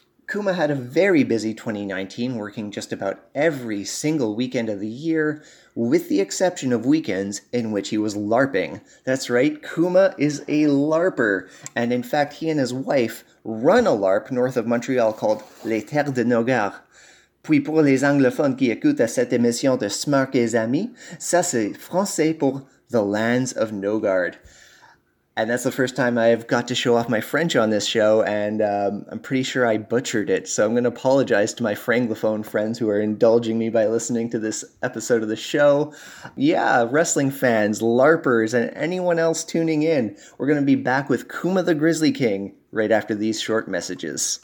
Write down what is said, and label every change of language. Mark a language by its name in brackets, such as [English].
[English] Kuma had a very busy 2019, working just about every single weekend of the year, with the exception of weekends in which he was LARPing. That's right, Kuma is a LARPer, and in fact, he and his wife run a LARP north of Montreal called Les Terres de Nogard. [French] Puis pour les anglophones qui écoutent cette émission de Smark et Amis, ça c'est français pour The Lands of Nogard. [English] And that's the first time I've got to show off my French on this show, and I'm pretty sure I butchered it, so I'm going to apologize to my Franglophone friends who are indulging me by listening to this episode of the show. Yeah, wrestling fans, LARPers, and anyone else tuning in, we're going to be back with Kuma the Grizzly King right after these short messages.